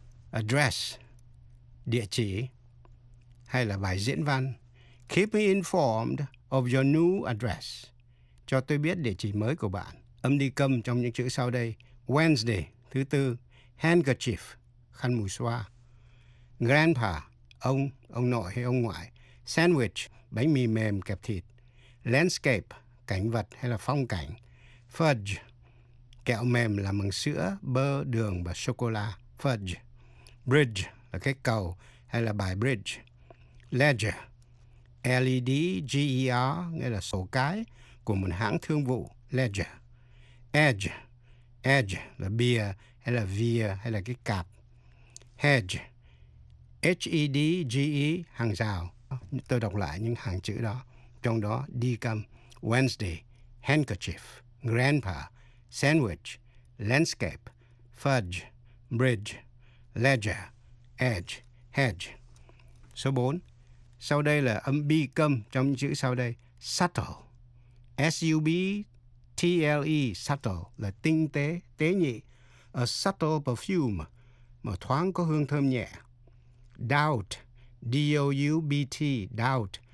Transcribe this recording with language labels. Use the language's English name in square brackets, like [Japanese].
[Vietnamese] Address, địa chỉ, hay là bài diễn văn. [English] Keep me informed of your new address. [Vietnamese] Cho tôi biết địa chỉ mới của bạn. Âm đi câm trong những chữ sau đây. Wednesday, thứ tư. Handkerchief, khăn mùi xoa. Grandpa, ông nội hay ông ngoại. Sandwich, bánh mì mềm kẹp thịt. Landscape, cảnh vật hay là phong cảnh. Fudge, kẹo mềm làm bằng sữa, bơ, đường và sô-cô-la. Fudge. Bridge là cái cầu hay là bài bridge. Ledger, L-E-D-G-E-R, nghĩa là sổ cái của một hãng thương vụ, Ledger. Edge, edge là bìa hay là via hay là cái cạp. Hedge, H-E-D-G-E, hàng rào. Tôi đọc lại những hàng chữ đó, trong đó đi câm. [English] Wednesday, handkerchief, grandpa, sandwich, landscape, fudge, bridge, ledger, edge, hedge. [Vietnamese] Số 4. Sau đây là âm bi câm trong những chữ sau đây. [English] Subtle. S-U-B-T-L-E. [Vietnamese] Subtle là tinh tế, tế nhị. [English] A subtle perfume. [Vietnamese] Một thoáng có hương thơm nhẹ. Doubt. D-O-U-B-T. Doubt.